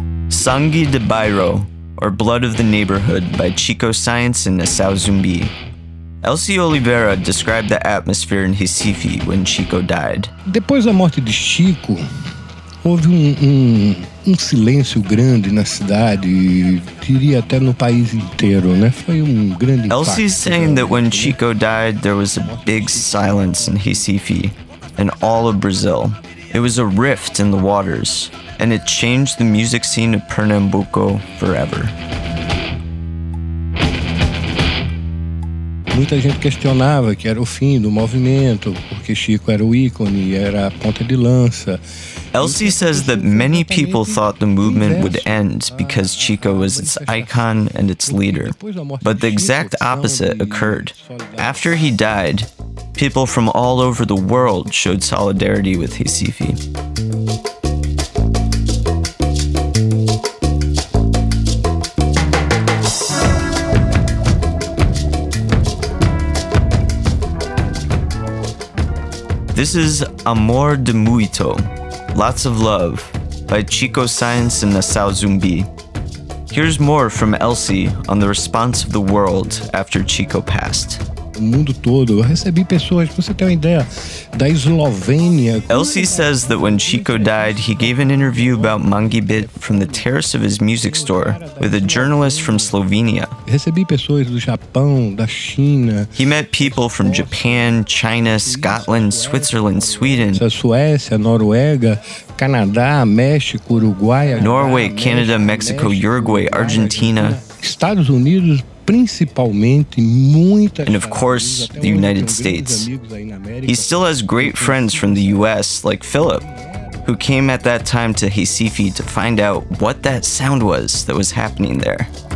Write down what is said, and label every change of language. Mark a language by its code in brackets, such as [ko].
[en] Sangue de Bairro, or Blood of the Neighborhood, by Chico Science and Nação Zumbi. Elcio Oliveira described the atmosphere in Recife when Chico died. [pt] Depois da morte de Chico, houve um silêncio grande na cidade, diria até no país inteiro, né? Foi grande impacto. [en] Elcio's saying that when Chico died, there was a big silence in Recife and all of Brazil. It was a rift in the waters, and it changed the music scene of Pernambuco forever. [pt] Muita gente questionava que era o fim do movimento, porque Chico era o ícone, era a ponta de lança. [en] Elcio says that many people thought the movement would end because Chico was its icon and its leader. But the exact opposite occurred. After he died, people from all over the world showed solidarity with Recife. This is Amor de Muito, Lots of Love, by Chico Science and Nação Zumbi. Here's more from Elcio on the response of the world after Chico passed. [pt] O mundo todo, eu recebi pessoas, você tem uma ideia, da Eslovênia. [en] Elcio says that when Chico died, he gave an interview about Mangi Beat from the terrace of his music store with a journalist from Slovenia. [pt] Recebi pessoas do Japão, da China. [en] He met people from Japan, China, Scotland, Switzerland, Sweden. [pt] Suécia, Noruega, Canadá, México, Uruguai. [en] Norway, Canada, Mexico, Uruguay, Argentina. [pt] Estados Unidos. Principalmente muita. [en] And of course, the United States. He still has great friends from the US, like Philip, who came at that time to Recife to find out what that sound was that was happening there.